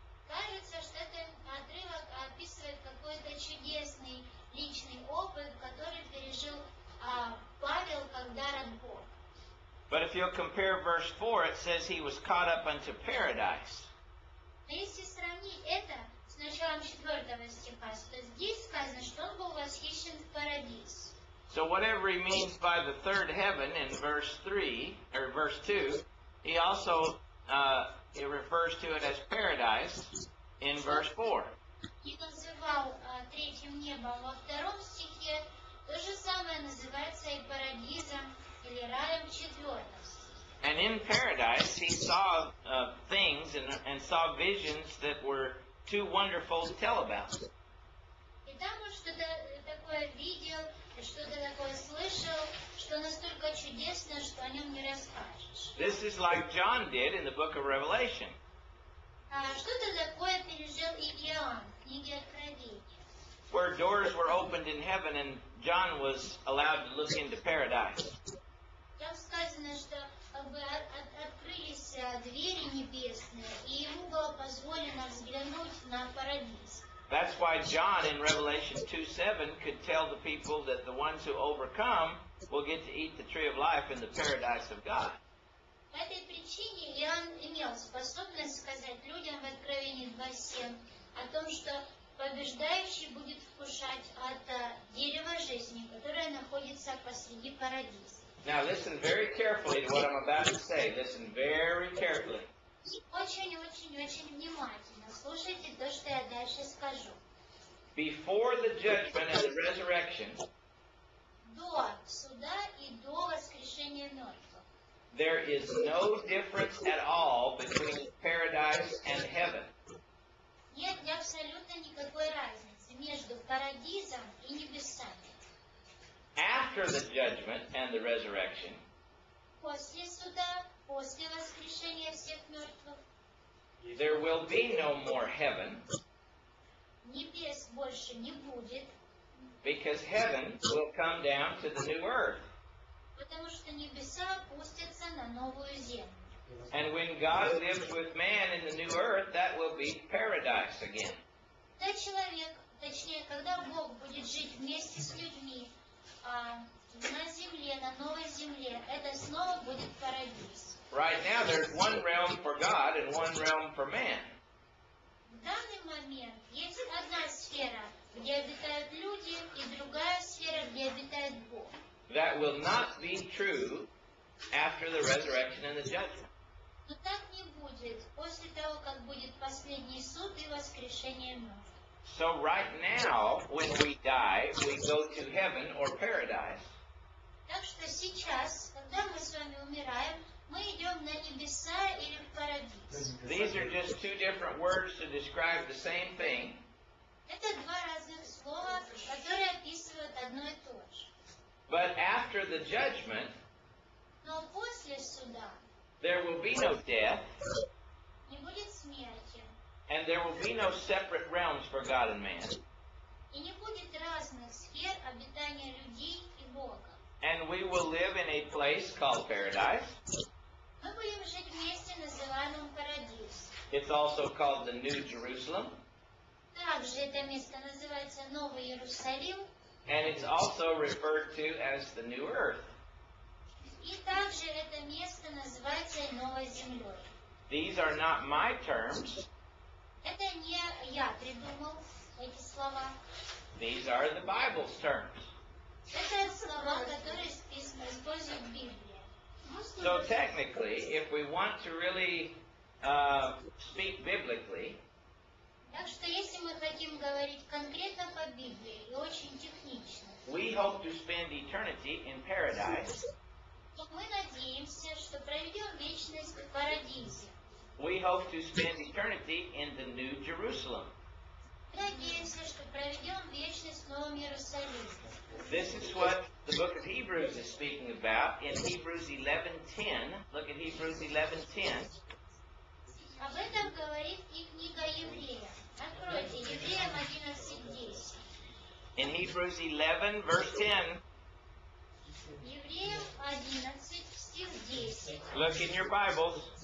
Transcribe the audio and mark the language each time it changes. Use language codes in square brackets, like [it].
[ru] Кажется, что этот отрывок описывает какой-то чудесный личный опыт, который пережил Павел, когда род Бог. [en] But if you compare verse 4, it says he was caught up unto paradise. [ru] Но если сравнить это с началом 4 стиха, то здесь сказано, что он был восхищен в парадис. [en] So whatever he means by the third heaven in verse 3, or verse 2, he also he refers to it as paradise in verse 4. [ru] И называл третьим небом во втором стихе, то же самое называется и парадизом или раем в четвертом. [en] And in paradise he saw things and saw visions that were too wonderful to tell about. [ru] И там он что-то такое видел, что-то такое слышал, что настолько чудесно, что о нем не расскажешь. [en] This is like John did in the book of Revelation. [ru] Что-то такое пережил и Иоанн в книге Откровения. [en] Where doors were opened in heaven and John was allowed to look into paradise. [ru] Там сказано, что открылись двери небесные, и ему было позволено взглянуть на парадис. [en] That's why John in Revelation 2:7 could tell the people that the ones who overcome will get to eat the tree of life in the paradise of God. [ru] По этой причине Иоанн имел способность сказать людям в Откровении 2:7 о том, что побеждающий будет вкушать от дерева жизни, которое находится посреди парадиса. [en] Now listen very carefully to what I'm about to say. Listen very carefully. [ru] Очень-очень-очень внимательно слушайте то, что я дальше скажу. [en] Before the judgment and the resurrection, [ru] до суда и до воскрешения мертвых, [en] there is no difference at all between paradise and heaven. [ru] Нет абсолютно никакой разницы между парадизом и небесами. [en] After the judgment and the resurrection, [ru] после суда, после воскрешения всех мертвых, [en] there will be no more heaven. [ru] Небес больше не будет. [en] Because heaven will come down to the new earth. [ru] Потому что небеса опустятся на новую землю. [en] And when God lives with man in the new earth, that will be paradise again. [ru] Да, человек, точнее, когда Бог будет жить вместе с людьми, на земле, на новой земле, это снова будет парадис. [en] Right now there's one realm for God and one realm for man. [ru] В данный момент есть одна сфера, где обитают люди, и другая сфера, где обитает Бог. [en] That will not be true after the resurrection and the judgment. [ru] Но так не будет после того, как будет последний суд и воскрешение мертвых. [en] So right now, when we die, we go to heaven or paradise. [ru] Так что сейчас, когда мы с вами умираем, мы идем на небеса или в парадис. [en] These are just two different words to describe the same thing. [ru] Это два разных слова, которые описывают одно и то же. [en] But after the judgment, [ru] но после суда, [en] there will be no death. [ru] Не будет смерти. [en] And there will be no separate realms for God and man. [ru] И не будет разных сфер обитания людей и Бога. [en] And we will live in a place called paradise. [ru] Мы будем жить в месте, называемом Парадис. [en] It's also called the New Jerusalem. [ru] Также это место называется Новый Иерусалим. [en] And it's also referred to as the New Earth. [ru] И также это место называется Новой Землей. [en] These are not my terms. [ru] Это не я придумал эти слова. [en] These are the Bible's terms. [ru] Это слова, которые списаны, используют в Библии. [en] So technically, if we want to really speak biblically, [ru] так что если мы хотим говорить конкретно по Библии и очень технично, [en] we hope to spend eternity in paradise. [ru] То мы надеемся, что проведем вечность в парадизе. [en] We hope to spend eternity in the New Jerusalem. [ru] Надеемся, что проведем вечность в Новом Иерусалиме. [en] This is what the book of Hebrews is speaking about in Hebrews 11:10. Look at Hebrews 11:10. [ru] Об этом говорит и книга Евреев. Откройте Евреям 11:10. [en] In Hebrews 11, verse 10. [ru] Евреям 11, стих 10. [en] Look in your Bibles.